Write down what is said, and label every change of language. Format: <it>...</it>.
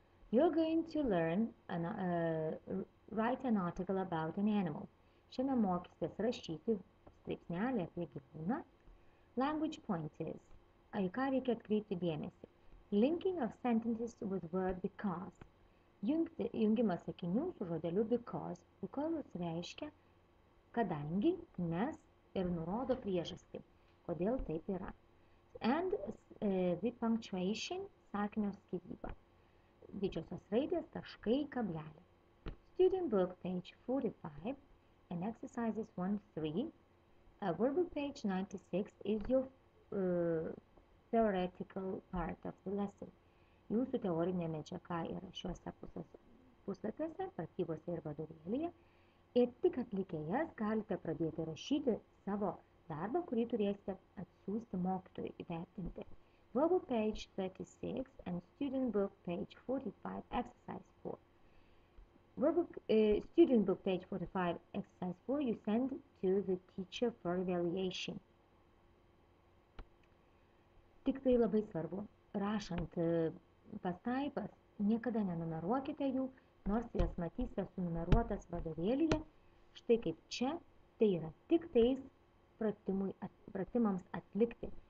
<en>You're going to learn and write an article about an animal.</en> <lt>Šiandien mokysitės rašyti straipsnelį apie gyvūną.</lt> <en>Language point is,</en> <lt>į ką reikia atkreipti dėmesį.</lt> <en>Linking of sentences with word because.</en> <lt>Jungimas sakinių su žodeliu</lt> <en>because.</en> <lt>Because reiškia, kadangi, nes ir nurodo priežastį, kodėl taip yra.</lt> <en>And the punctuation,</en> <lt>sakinio skyryba. Didžiosios raidės, taškai, kablelė.</lt> <en>Student book page 45 and exercises 1-3. Workbook page 96 is your theoretical part of the lesson.</en> <lt>Jūsų teorinė medžiaga yra šiuose puslapiuose, pratybose ir vadovėlyje. Ir tik atlikę jas galite pradėti rašyti savo darbą, kurį turėsite atsiųsti mokytojui įvertinti.</lt> <en>Verbal page 36 and student book page 45 exercise 4. Student book page 45 exercise 4 you send to the teacher for evaluation.</en> <lt>Tik tai labai svarbu, rašant pastaipas, niekada nenumeruokite jų, nors jas matysite sunumeruotas vadovėlyje. Štai kaip čia, tai yra tik tais pratimams atlikti.</lt>